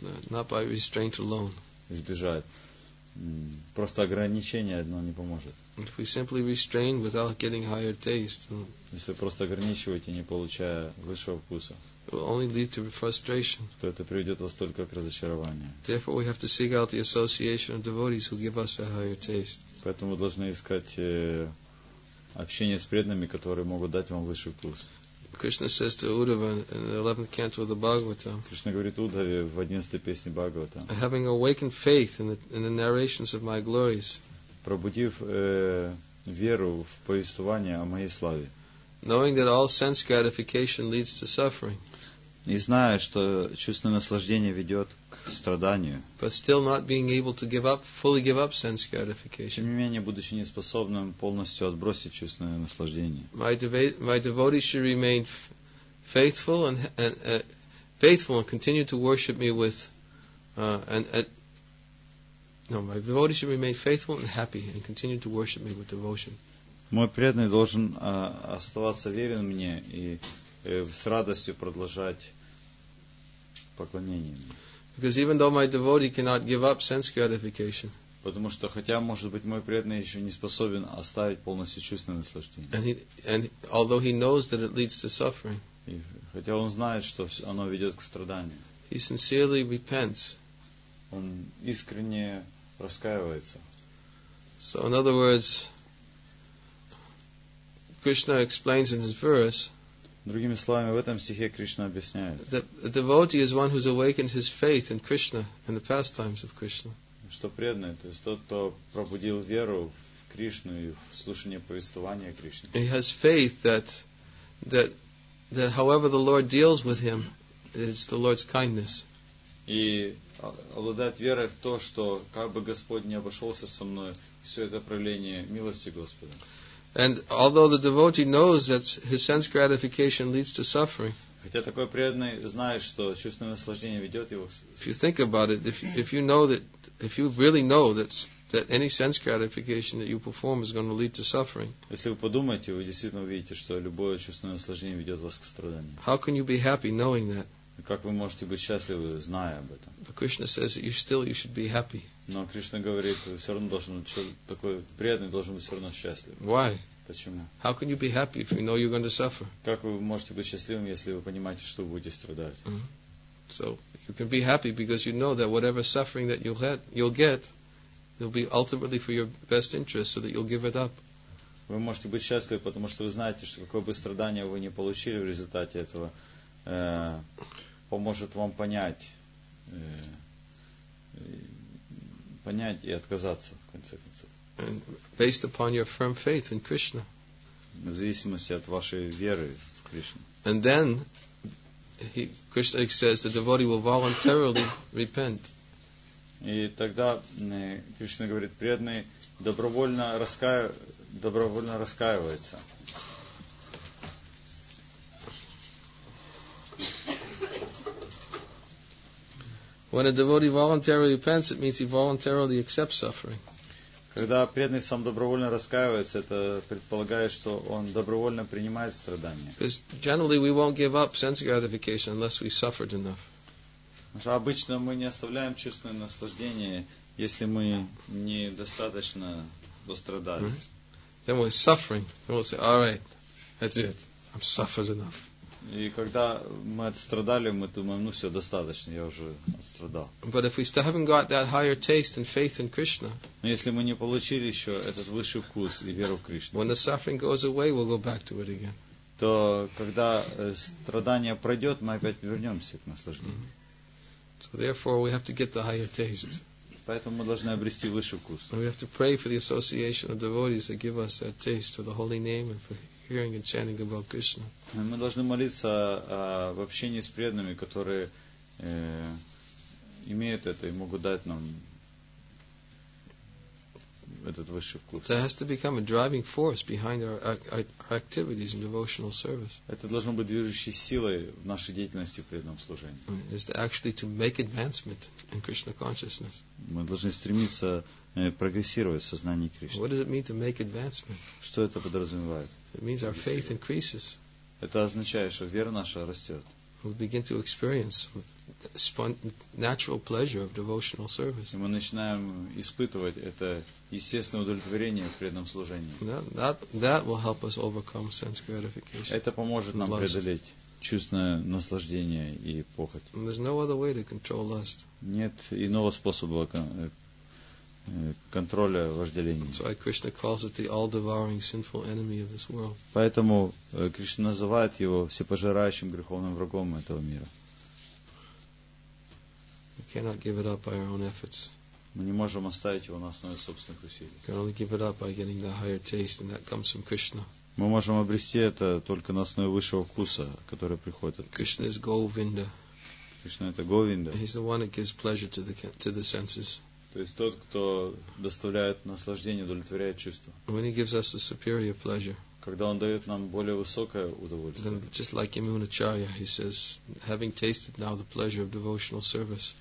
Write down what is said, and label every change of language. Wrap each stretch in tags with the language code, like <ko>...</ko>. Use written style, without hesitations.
<en>Not by restraint alone.</en> <ru>Избежать. Просто ограничение одно не поможет.</ru> <en>If we simply restrain without getting higher taste.</en> <ru>Если просто ограничиваете, не получая высшего вкуса.</ru> <en>It will only lead to frustration.</en> <ru>То это приведет вас только к разочарованию.</ru> <en>Therefore, we have to seek out the association of devotees who give us the higher taste.</en> <ru>Поэтому должны искать общение с преданными, которые могут дать вам высший вкус.</ru> <en>Krishna says to Uddhava in the 11th canto of the Bhagavatam.</en> <ru>Кришна говорит Удхаве в 11-й песне Бхагаватам.</ru> <en>Having awakened faith in the narrations of my glories.</en> <ru>Пробудив веру в повествование о моей славе.</ru> <en>Knowing that all sense gratification leads to suffering.</en> <ru>И зная, что чувственное наслаждение ведет к страданию.</ru> <en>But still not being able to fully give up sense gratification.</en> <ru>Тем не менее, будучи неспособным полностью отбросить чувственное наслаждение.</ru> <en>My devotee should remain faithful and continue to worship me with my devotee should remain faithful and happy and continue to worship me with devotion.</en> <ru>Мой преданный должен оставаться верен мне и с радостью продолжать поклонение.</ru> <en>Because even though my devotee cannot give up sense gratification.</en> <ru>Потому что хотя, может быть, мой преданный еще не способен оставить полностью чувственное наслаждение.</ru> <en>And although he knows that it leads to suffering.</en> <ru>И хотя он знает, что оно ведет к страданию.</ru> <en>He sincerely repents.</en> <ru>Он искренне раскаивается.</ru> <en>So in other words, Krishna explains in his verse.</en> <ru>Другими словами, в этом стихе Кришна объясняет.</ru> <en>The devotee is one who's awakened his faith in Krishna and the pastimes of Krishna.</en> <ru>Что преданный, то есть тот, кто пробудил веру в Кришну и в слушание повествования Кришны.</ru> <en>He has faith that however the Lord deals with him, it's the Lord's kindness.</en> <ru>И обладает верой в то, что как бы Господь не обошелся со мной, все это проявление милости Господа.</ru> <en>And although the devotee knows that his sense gratification leads to suffering,</en> <ru>хотя такой преданный знает, что чувственное наслаждение ведет его.</ru> <en>If you think about it, if you know that, if you really know that, that any sense gratification that you perform is going to lead to suffering,</en> <ru>если вы подумаете, вы действительно увидите, что любое чувственное наслаждение ведет вас к страданию.</ru> <en>How can you be happy knowing that?</en> <ru>Как вы можете быть счастливы, зная об этом?</ru> <en>But Krishna says that you still you should be happy.</en> <ru>Но Кришна говорит, вы все равно должен такой преданный должен быть все равно счастлив.</ru> <en>Why?</en> <ru>Почему?</ru> <en>How can you be happy if you know you're going to suffer?</en> <ru>Как вы можете быть счастливым, если вы понимаете, что вы будете страдать? Mm-hmm.</ru> <en>So you can be happy because you know that whatever suffering that you'll get, it'll be ultimately for your best interest, so that you'll give it up.</en> <ru>Вы можете быть счастливы, потому что вы знаете, что какое бы страдание вы не получили в результате этого, поможет вам понять и отказаться в конце концов.</ru> <en>And based upon your firm faith in Krishna.</en> <ru>В зависимости от вашей веры в Кришну.</ru> <en>And then Krishna says the devotee will voluntarily repent.</en> <ru>И тогда Кришна говорит, преданный добровольно раскаивается.</ru> <en>When a devotee voluntarily repents, it means he voluntarily accepts suffering.</en> <ru>Когда преданный сам добровольно раскаивается, это предполагает, что он добровольно принимает страдания.</ru> <en>Because generally we won't give up sense gratification unless we suffered enough.</en> <ru>Потому что обычно мы не оставляем чувственное наслаждение, если мы недостаточно пострадали.</ru> <en>Then we're suffering. Then we'll say, all right, that's it. I've suffered enough.</en> <ru>И когда мы отстрадали, мы думаем, ну все, достаточно, я уже отстрадал.</ru> <en>But if we still haven't got that higher taste and faith in Krishna,</en> <ru>но если мы не получили еще этот высший вкус и веру в Кришну,</ru> <en>when the suffering goes away, we'll go back to it again.</en> <ru>То когда страдание пройдет, мы опять вернемся к наслаждению. Mm-hmm.</ru> <en>So therefore, we have to get the higher taste.</en> <ru>Поэтому мы должны обрести высший вкус.</ru> <en>And we have to pray for the association of devotees that give us that taste for the holy name and for hearing and chanting about Krishna.</en> <ru>Мы должны молиться в общении с преданными, которые имеют это и могут дать нам этот высший вкус.</ru> <en>That has to become a driving force behind our activities in devotional service.</en> <ru>Это должно быть движущей силой в нашей деятельности в преданном служении.</ru> <en>Is to actually to make advancement in Krishna consciousness.</en> <ru>Мы должны стремиться прогрессировать в сознании Кришны.</ru> <en>What does it mean to make advancement?</en> <ru>Что это подразумевает?</ru> <en>It means our faith increases.</en> <ru>Это означает, что вера наша растет.</ru> <en>We begin to experience natural pleasure of devotional service.</en> <ru>И мы начинаем испытывать это естественное удовлетворение в преданном служении.</ru> <en>That will help us overcome sense gratification.</en> <ru>Это поможет нам преодолеть чувственное наслаждение и похоть.</ru> <en>There's no other way to control lust.</en> <ru>Нет иного способа контроля вожделения.</ru> <en>That's why Krishna calls it the all-devouring sinful enemy of this world.</en> <ru>Поэтому Кришна называет его всепожирающим греховным врагом этого мира.</ru> <en>We cannot give it up by our own efforts.</en> <ru>Мы не можем оставить его на основе собственных усилий.</ru> <en>We can only give it up by getting the higher taste, and that comes from Krishna.</en> <ru>Мы можем обрести это только на основе высшего вкуса, который приходит от</ru> <en>Krishna. Krishna is Govinda.</en> <ru>Кришна это Говинда.</ru> <en>He's the one that gives pleasure to the senses.</en> <ru>То есть тот, кто доставляет наслаждение, удовлетворяет чувства.</ru> <en>When he gives us a superior pleasure,</en> <ru>когда он дает нам более высокое удовольствие.</ru> <en>Then just like Yamunacharya, he says, having tasted now the pleasure of devotional service.</en>